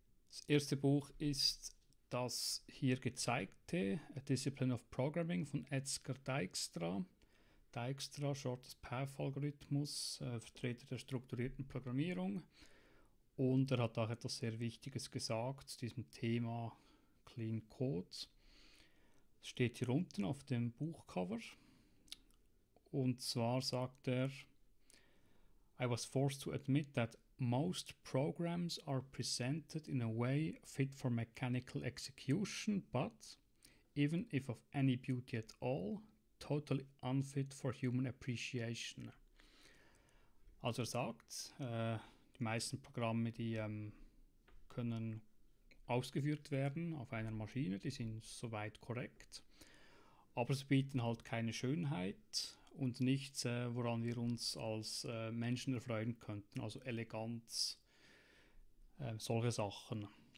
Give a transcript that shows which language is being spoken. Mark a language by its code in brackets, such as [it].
[de] Das erste Buch ist das hier gezeigte A Discipline of Programming von Edsger Dijkstra. Dijkstra, Shortest Path Algorithmus, Vertreter der strukturierten Programmierung. Und er hat auch etwas sehr Wichtiges gesagt zu diesem Thema Clean Code. Das steht hier unten auf dem Buchcover. Und zwar sagt er: [en] I was forced to admit that most programs are presented in a way fit for mechanical execution, but even if of any beauty at all, totally unfit for human appreciation. [de] Also er sagt, die meisten Programme, die können ausgeführt werden auf einer Maschine, die sind soweit korrekt, aber sie bieten halt keine Schönheit und nichts, woran wir uns als Menschen erfreuen könnten, also Eleganz, solche Sachen.